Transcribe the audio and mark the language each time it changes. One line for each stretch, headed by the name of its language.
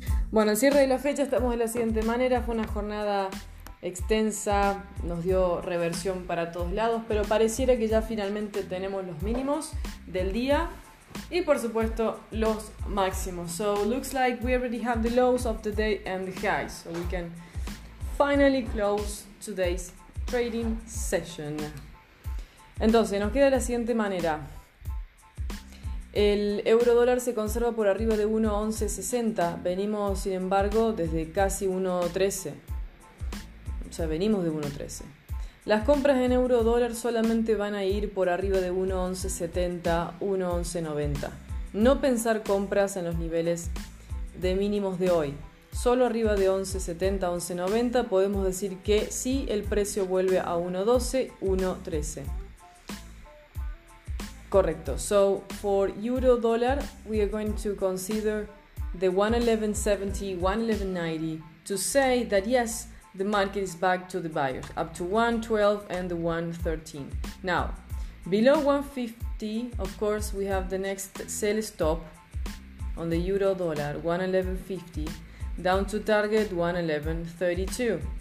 Spanish: Bueno, el cierre de la fecha estamos de la siguiente manera. Fue una jornada extensa, nos dio reversión para todos lados, pero pareciera que ya finalmente tenemos los mínimos del día y, por supuesto, los máximos.
English: So, looks like we already have the lows of the day and the highs. So, we can finally close today's trading session.
Spanish: Entonces, nos queda de la siguiente manera. El euro dólar se conserva por arriba de 1.1160. Venimos, sin embargo, desde casi 1.13. O sea, venimos de 1.13. Las compras en euro dólar solamente van a ir por arriba de 1.1170, 1.1190. No pensar compras en los niveles de mínimos de hoy. Solo arriba de 1.1170, 1.1190 podemos decir que sí, el precio vuelve a 1.12, 1.13. Correcto.
English: So, for euro dollar, we are going to consider the 1.1170, 1.1190 to say that yes, the market is back to the buyers, up to 1.12 and 1.13. Now, below 1.50, of course, we have the next sell stop on the euro dollar, 1.1150, down to target 1.1132.